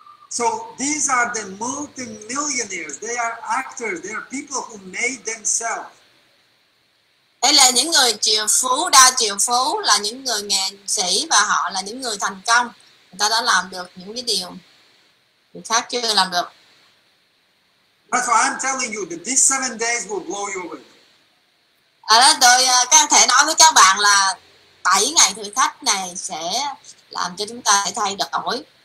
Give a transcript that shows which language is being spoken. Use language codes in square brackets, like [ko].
[en] So these are the multimillionaires. They are actors. They are people who made themselves. [vi] Đây là những người triệu phú, đa triệu phú là những người nghệ sĩ và họ là những người thành công. Người ta đã làm được những cái điều người khác chưa làm được. [en] That's why I'm telling you that these 7 days will blow you away. [vi] À đó, tôi có thể nói với các bạn là 7 ngày thử thách này sẽ làm cho chúng ta thay đổi.